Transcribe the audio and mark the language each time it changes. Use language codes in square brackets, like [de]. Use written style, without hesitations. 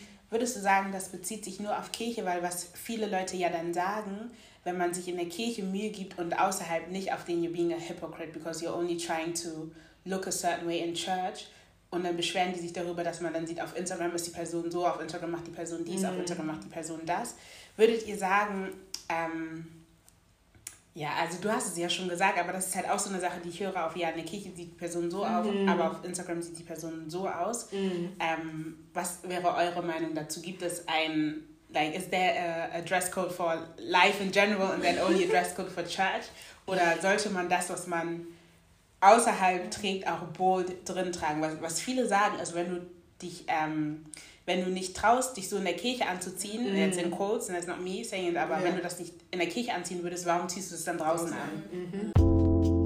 [de] Würdest du sagen, das bezieht sich nur auf Kirche, weil was viele Leute ja dann sagen, wenn man sich in der Kirche Mühe gibt und außerhalb nicht auf den [en] you're being a hypocrite because you're only trying to look a certain way in church, [de] und dann beschweren die sich darüber, dass man dann sieht, auf Instagram ist die Person so, auf Instagram macht die Person dies, auf Instagram macht die Person das. Würdet ihr sagen, also du hast es ja schon gesagt, aber das ist halt auch so eine Sache, die ich höre, auf ja, in der Kirche sieht die Person so auf, aber auf Instagram sieht die Person so aus. Mm. Was wäre eure Meinung dazu? Gibt es ein, [en] like, is there a dress code for life in general and then only a dress code for church? [de] Oder sollte man das, was man außerhalb trägt, auch bold drin tragen. Was viele sagen, ist, wenn du dich, wenn du nicht traust, dich so in der Kirche anzuziehen, jetzt in quotes, [en] and that's not me saying it, [de] aber wenn du das nicht in der Kirche anziehen würdest, warum ziehst du es dann draußen an?